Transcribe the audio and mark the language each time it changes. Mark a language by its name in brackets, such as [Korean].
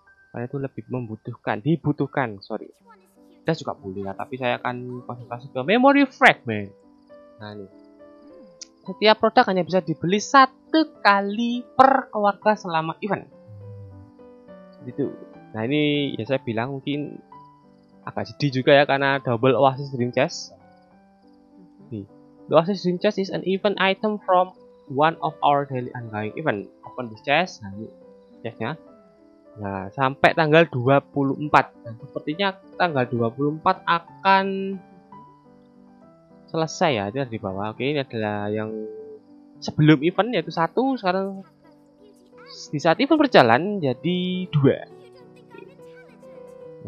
[Indonesian] Karena itu lebih dibutuhkan, sorry. Dan juga boleh ya, tapi saya akan konsentrasi ke memory fragment. Nah ini, setiap produk hanya bisa dibeli satu kali per keluarga selama event itu. Nah ini ya, saya bilang mungkin agak sedih juga ya karena double Oasis Dreamcast. [English] The Oasis Dreamcast is an event item from one of our daily ongoing event. Open this chest. [Indonesian] Nah ini chestnya. Nah, sampai tanggal 24. Nah, sepertinya tanggal 24 akan selesai ya. Itu ada di bawah. Oke, ini adalah yang sebelum event yaitu 1. Sekarang di saat event berjalan jadi 2.